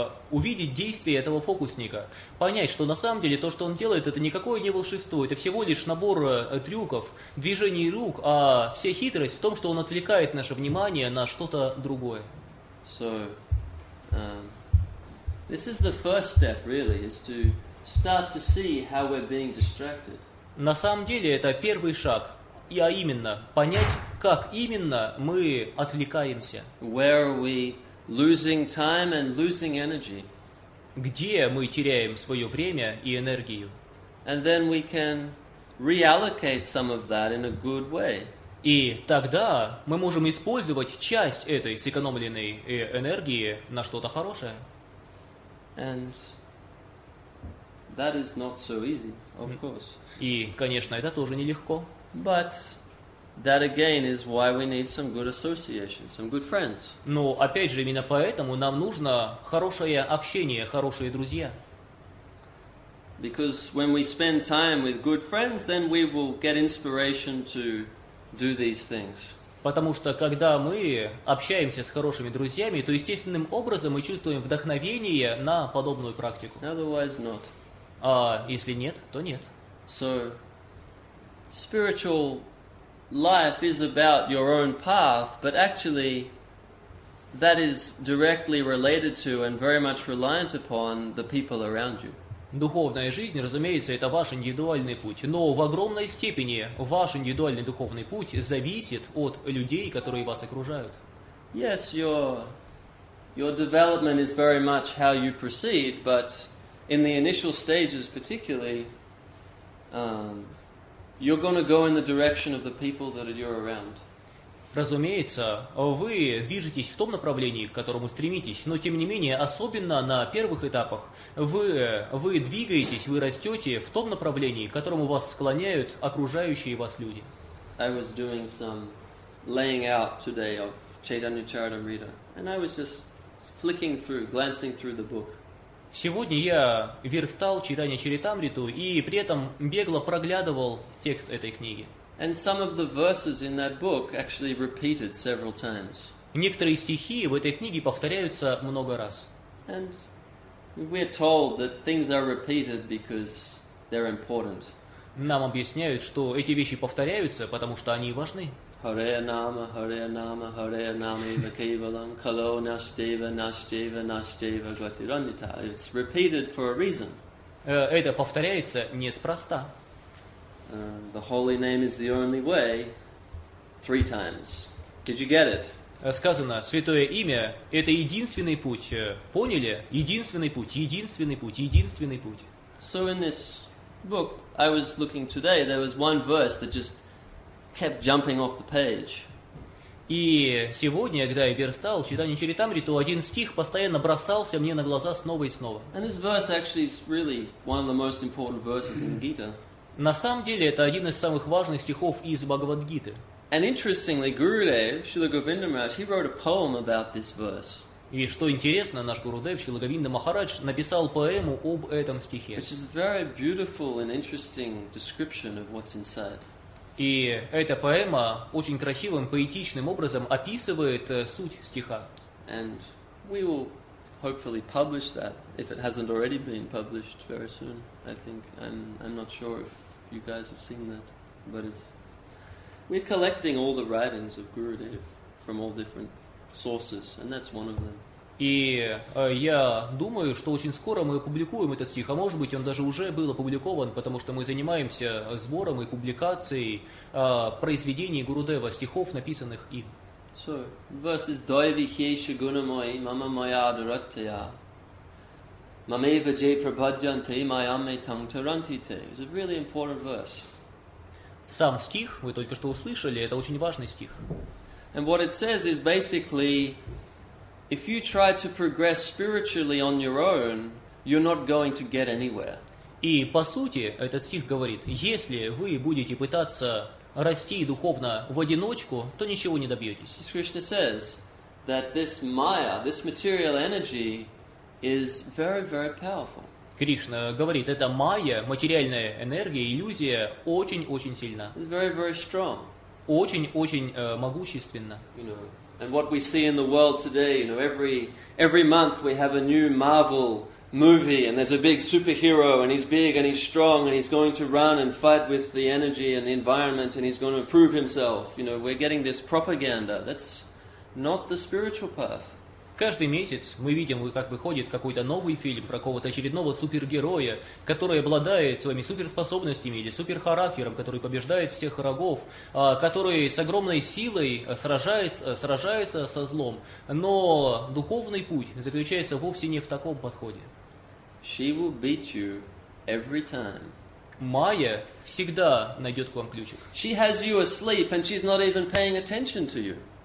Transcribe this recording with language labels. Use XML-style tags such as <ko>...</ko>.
<ru>Увидеть действие этого фокусника, понять, что на самом деле то, что он делает, это никакое не волшебство, это всего лишь набор трюков, движений рук, а вся хитрость в том, что он отвлекает наше внимание на что-то другое.</ru> <en>So, this is the first step, really, is to start to see how we're being distracted.</en> <ru>На самом деле это первый шаг. И, а именно, понять, как именно мы отвлекаемся.</ru> <en>Where are we losing time and losing energy?</en> <ru>Где мы теряем свое время и энергию?</ru> <en>And then we can reallocate some of that in a good way.</en> <ru>И тогда мы можем использовать часть этой сэкономленной энергии на что-то хорошее.</ru> <en>And that is not so easy, of course.</en> <ru>И, конечно, это тоже нелегко.</ru> <en>But that again is why we need some good association, some good friends.</en> <ru>Но опять же, именно поэтому нам нужно хорошее общение, хорошие друзья.</ru> <en>Because when we spend time with good friends, then we will get inspiration to do these things.</en> <ru>Потому что когда мы общаемся с хорошими друзьями, то естественным образом мы чувствуем вдохновение на подобную практику.</ru> <en>Otherwise not.</en> <ru>А если нет, то нет.</ru> <en>So spiritual life is about your own path, but actually that is directly related to and very much reliant upon the people around you.</en> <ru>Духовная жизнь, разумеется, это ваш индивидуальный путь, но в огромной степени ваш индивидуальный духовный путь зависит от людей, которые вас окружают.</ru> <en>Yes, your development is very much how you proceed, but in the initial stages particularly, you're going to go in the direction of the people that you're around.</en> <ru>Разумеется, вы движетесь в том направлении, к которому стремитесь, но тем не менее, особенно на первых этапах, вы двигаетесь, вы растете в том направлении, к которому вас склоняют окружающие вас люди.</ru> <en>I was doing some laying out today of Chaitanya Charitamrita, and I was just flicking through, glancing through the book.</en> <ru>Сегодня я верстал Чайтанья Чаритамриту и при этом бегло проглядывал текст этой книги.</ru> <en>And some of the verses in that book actually repeated several times.</en> <ru>Некоторые стихи в этой книге повторяются много раз.</ru> <en>And we're told that things are repeated because they're important.</en> <ru>Нам объясняют, что эти вещи повторяются, потому что они важны.</ru> <sa>Hare Nama, Hare Nama, Hare Nama, Eva Kevalam, Kalo Nasteva, Nasteva, Nasteva, Gatiranita.</sa> <en>It's repeated for a reason.</en> <ru>Это повторяется неспроста.</ru> <en>The holy name is the only way. Three times. Did you get it?</en> <ru>Сказано, святое имя – это единственный путь. Поняли? Единственный путь, единственный путь, единственный путь.</ru> <en>So in this book, I was looking today, there was one verse that just kept jumping off the page.</en> <ru>И сегодня, когда я верстал Чайтанья Чаритамриту, один стих постоянно бросался мне на глаза снова и снова.</ru> <en>And this verse actually is really one of the most important verses in Gita.</en> <ru>На самом деле, это один из самых важных стихов из Бхагавад-гиты.</ru> <en>And interestingly, Gurudev, Srila Govinda Maharaj, he wrote a poem about this verse.</en> <ru>И что интересно, наш Гурудев, Шрила Говинда Махарадж, написал поэму об этом стихе.</ru> <en>Which is a very beautiful and interesting description of what's inside.</en> <ru>И эта поэма очень красивым, поэтичным образом описывает суть стиха.</ru> <en>And we will hopefully publish that, if it hasn't already been published very soon, I think. I'm not sure if you guys have seen that, but it's... We're collecting all the writings of Gurudev from all different sources, and that's one of them.</en> <ru>И я думаю, что очень скоро мы опубликуем этот стих, а может быть, он даже уже был опубликован, потому что мы занимаемся сбором и публикацией произведений Гурудева, стихов, написанных им.</ru> <en>So, verses</en> <sa>Daivihesha Gunamoi Mama Maya Duratya Mameva J Prabhadjante Mayame Tang Tarantite.</sa> <en>It's a really important verse.</en> <ru>Сам стих, вы только что услышали, это очень важный стих.</ru> <en>And what it says is basically, if you try to progress spiritually on your own, you're not going to get anywhere.</en> <ru>И по сути, этот стих говорит, если вы будете пытаться расти духовно в одиночку, то ничего не добьетесь.</ru> <en>Krishna says that this Maya, this material energy, is very, very powerful.</en> <ru>Кришна говорит, эта майя, материальная энергия, иллюзия, очень-очень сильна.</ru> <en>It's very, very strong.</en> <ru>Очень-очень могущественна.</ru> <en>You know, and what we see in the world today, you know, every month we have a new Marvel movie, and there's a big superhero, and he's big, and he's strong, and he's going to run and fight with the energy and the environment, and he's going to prove himself. You know, we're getting this propaganda. That's not the spiritual path.</en> <ru>Каждый месяц мы видим, как выходит какой-то новый фильм про какого-то очередного супергероя, который обладает своими суперспособностями или суперхарактером, который побеждает всех врагов, который с огромной силой сражается со злом. Но духовный путь заключается вовсе не в таком подходе.</ru> <en>She will beat you every time.</en> <ru>Майя всегда найдет к вам ключик.</ru> <en>She has you asleep and she's not even paying attention to you.</en>